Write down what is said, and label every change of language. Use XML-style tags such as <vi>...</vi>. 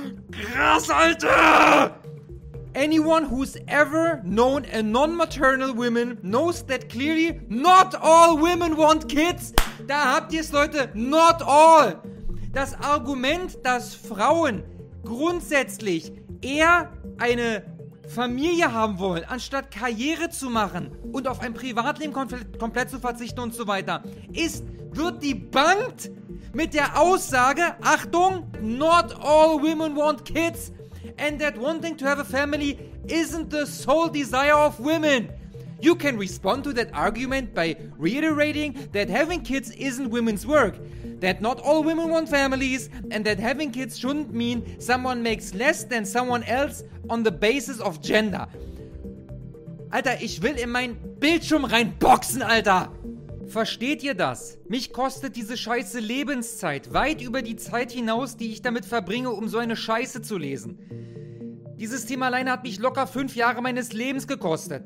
<de>Krass, Alter!</de> <en>Anyone who's ever known a non-maternal woman knows that clearly not all women want kids.</en> <de>Da habt ihr es, Leute.</de> <en>Not all.</en> <de>Das Argument, dass Frauen grundsätzlich eher eine Familie haben wollen, anstatt Karriere zu machen und auf ein Privatleben komplett zu verzichten und so weiter, wird debunked mit der Aussage, Achtung,</de> <en>not all women want kids. And that wanting to have a family isn't the sole desire of women. You can respond to that argument by reiterating that having kids isn't women's work, that not all women want families, and that having kids shouldn't mean someone makes less than someone else on the basis of gender.</en> <de>Alter, ich will in meinen Bildschirm reinboxen, Alter! Versteht ihr das? Mich kostet diese Scheiße Lebenszeit, weit über die Zeit hinaus, die ich damit verbringe, um so eine Scheiße zu lesen. Dieses Thema alleine hat mich locker 5 Jahre meines Lebens gekostet.</de>